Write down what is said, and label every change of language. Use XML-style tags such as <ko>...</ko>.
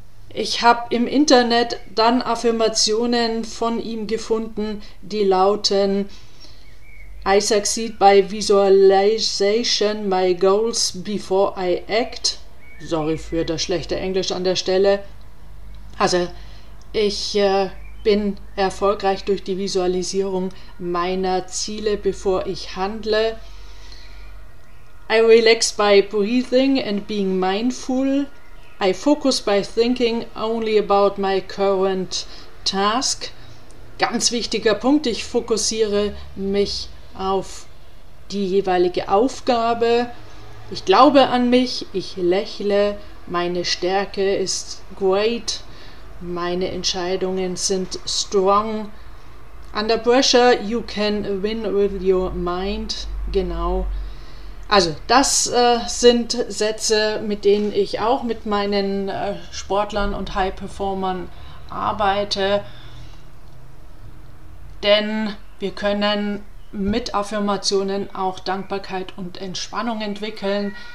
<de>Ich habe im Internet dann Affirmationen von ihm gefunden, die lauten:</de> <en>I succeed by visualization my goals before I act.</en> <de>Sorry für das schlechte Englisch an der Stelle. Also, ich bin erfolgreich durch die Visualisierung meiner Ziele, bevor ich handle.</de> <en>I relax by breathing and being mindful. I focus by thinking only about my current task.</en> <de>Ganz wichtiger Punkt, ich fokussiere mich auf die jeweilige Aufgabe. Ich glaube an mich, ich lächle, meine Stärke ist great, meine Entscheidungen sind strong.</de> <en>Under pressure, you can win with your mind.</en> <de>Genau. Also, das sind Sätze, mit denen ich auch mit meinen Sportlern und High-Performern arbeite. Denn wir können mit Affirmationen auch Dankbarkeit und Entspannung entwickeln.</de>